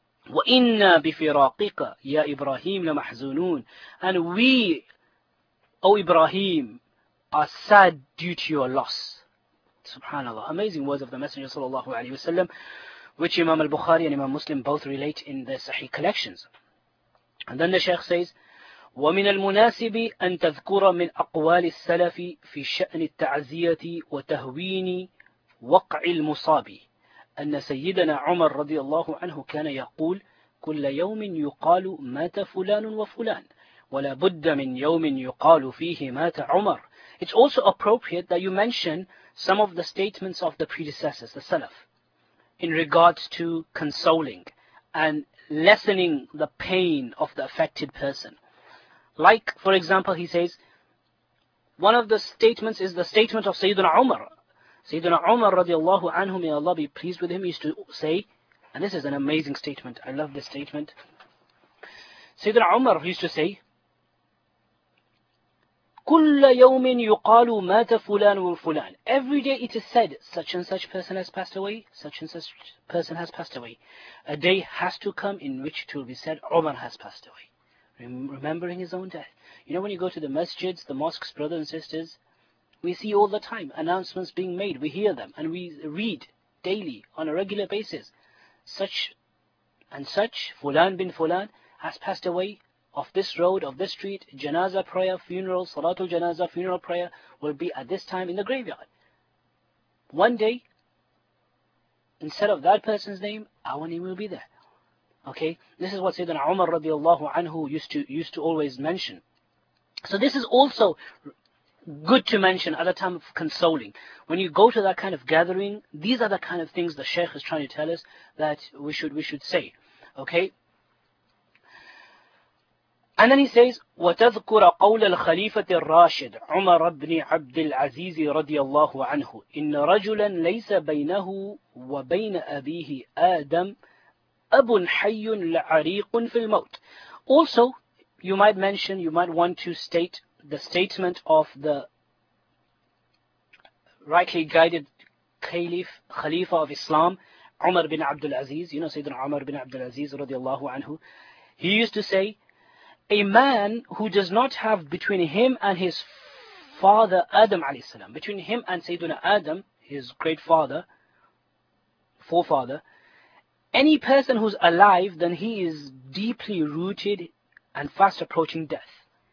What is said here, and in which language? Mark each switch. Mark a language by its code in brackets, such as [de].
[ar] وَإِنَّا بِفِرَاقِكَ يَا إِبْرَاهِيمُ لَمَحْزُونُونَ. [en] And we, O Ibrahim, are sad due to your loss. Subhanallah. Amazing words of the Messenger sallallahu alayhi wa sallam, which Imam al-Bukhari and Imam Muslim both relate in their Sahih collections. And then the Shaykh says, [ar] وَمِنَ الْمُنَاسِبِ أَن تَذْكُرَ مِنْ أَقْوَالِ السَّلَفِ فِي شَأْنِ التَّعْزِيَةِ وَتَهْوِينِ وَقْعِ الْمُصَابِ أَنَّ سَيِّدَنَا عُمَرَ رَضِيَ اللَّهُ عَنْهُ كَانَ يَقُولُ كُلَّ يَوْمٍ يُقَالُ مَاتَ فُلَانٌ وَفُلَانٌ وَلَا بُدَّ مِنْ يَوْمٍ يُقَالُ فِيهِ مَاتَ عُمَرٌ. [en] It's also appropriate that you mention some of the statements of the predecessors, the Salaf, in regards to consoling and lessening the pain of the affected person. Like, for example, he says, One of the statements is the statement of Sayyidina Umar. Sayyidina Umar radiallahu anhu, may Allah be pleased with him, used to say, and this is an amazing statement, I love this statement. Sayyidina Umar used to say, [ar] كل يوم يقال مات فلان وفلان. [en] Every day it is said, such and such person has passed away, such and such person has passed away. A day has to come in which it will be said, Umar has passed away. Remembering his own death. You know, when you go to the masjids, the mosques, brothers and sisters, we see all the time announcements being made. We hear them and we read daily on a regular basis. Such and such, fulan bin fulan, has passed away. Of this road, of this street, janazah prayer, funeral, salatul janazah, funeral prayer, will be at this time in the graveyard. One day, instead of that person's name, our name will be there. Okay, this is what Sayyidina Umar radiallahu anhu used to always mention. So this is also good to mention at a time of consoling. When you go to that kind of gathering, these are the kind of things the Shaykh is trying to tell us that we should say. Okay. And then he says, [ar] وَتَذْكُرَ قَوْلَ الْخَلِيفَةِ الرَّاشِدِ عُمَرَ بْنِ عَبْدِ الْعَزِيزِ رَضِيَ اللَّهُ عَنْهُ إِنَّ رَجُلًا لَيْسَ بَيْنَهُ وَبَيْنَ أَبِيهِ آدَمُ أَبٌ حَيٌّ لَعَرِيقٌ فِي الْمَوْتِ. [en] Also, you might mention, you might want to state the statement of the rightly guided caliph, khalifa of Islam, Umar bin Abdul Aziz, you know Sayyidina Umar bin Abdul Aziz [ar] رضي الله عنه. [en] He used to say, a man who does not have between him and his father Adam alayhi salam, between him and Sayyidina Adam, his great father, forefather, any person who's alive, then he is deeply rooted and fast approaching death.